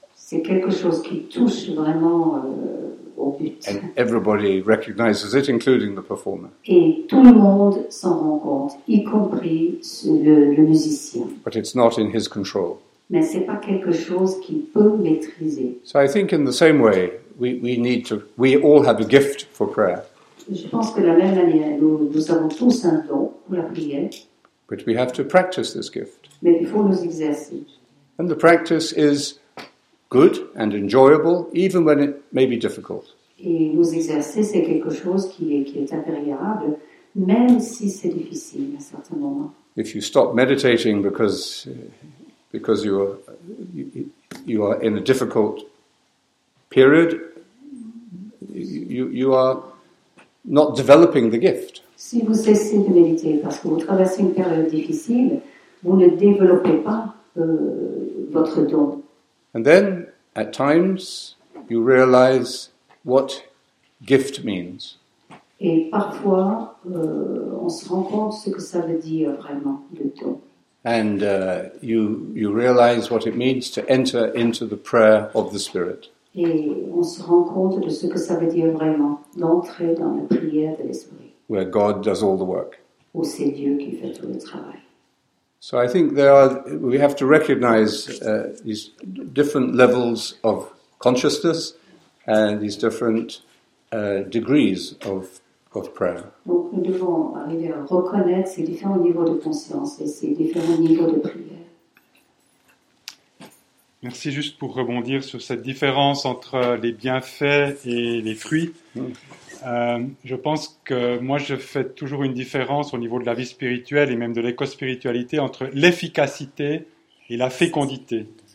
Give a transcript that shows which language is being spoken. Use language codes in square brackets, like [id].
[fr] C'est quelque chose qui touche vraiment au but. [en] And everybody recognizes it, including the performer. [fr] Et tout le monde s'en rend compte, y compris le musicien. [en] But it's not in his control. [fr] Mais c'est pas quelque chose qu'il peut maîtriser. [en] So I think in the same way, we all have a gift for prayer. [fr] Je pense que de la même manière, nous avons tous un don pour la prière. [en] But we have to practice this gift. [fr] Mais il faut nous exercer. [en] And the practice is good and enjoyable, even when it may be difficult. [fr] Et nous exercer, c'est quelque chose qui est impérable, même si c'est difficile à certains moments. [en] If you stop meditating because you are in a difficult period, you are not developing the gift. [fr] Si vous cessez de méditer parce que vous traversez une période difficile, vous ne développez pas votre don. [en] And then, at times, you realize what gift means. [fr] Et parfois, on se rend compte ce que ça veut dire vraiment, le don. [en] And you realize what it means to enter into the prayer of the Spirit. [fr] Et on se rend compte de ce que ça veut dire vraiment, d'entrer dans la prière de l'Esprit. [en] Where God does all the work. [fr] Où c'est Dieu qui fait tout le travail. [en] So I think we have to recognize these different levels of consciousness and these different degrees of prayer. [fr] Donc nous devons arriver à reconnaître ces différents niveaux de conscience et ces différents niveaux de prière. Merci, juste pour rebondir sur cette différence entre les bienfaits et les fruits. Je pense que moi, je fais toujours une différence au niveau de la vie spirituelle et même de l'éco-spiritualité entre l'efficacité et la fécondité.